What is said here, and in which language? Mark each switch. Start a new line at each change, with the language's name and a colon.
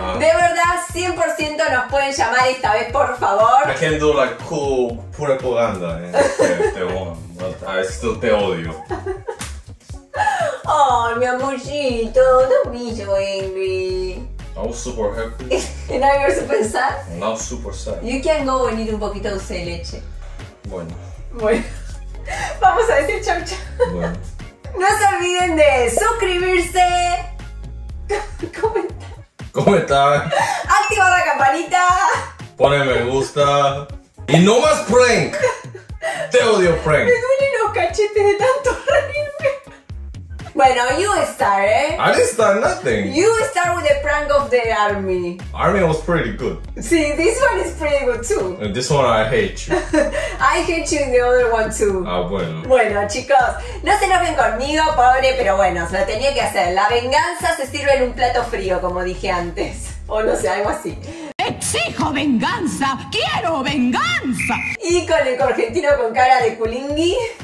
Spanish: De verdad, 100% nos pueden llamar esta vez, por favor.
English: I can do like cool,
Spanish: pura propaganda,
English: if they want, but I still
Spanish: te odio.
English: Oh,
Spanish: mi amorcito,
English: don't be so angry. I was super happy. And now you're super sad? Now super sad. You can go and eat
Spanish: un poquito de leche. Bueno. Bueno. Vamos a decir chau chau. Bueno. No se olviden de suscribirse. Comentar. Activa la campanita. Pone me gusta. Y no más prank. Te odio prank. Me duelen los cachetes de tanto reírme. Bueno,
English: you start,
Spanish: eh.
English: I didn't start nothing. You start with the prank of the army. Army was pretty good. See, this one is pretty good too. And this one I hate you. I hate you in the other one too.
Spanish: Ah, bueno. Bueno, chicos, no se enojen conmigo, pobre, pero bueno, se lo tenía que hacer. La venganza se sirve en un plato frío, como dije antes. O no sé, algo así. ¡Exijo venganza! ¡Quiero venganza! Y con el correntino con cara de culingui.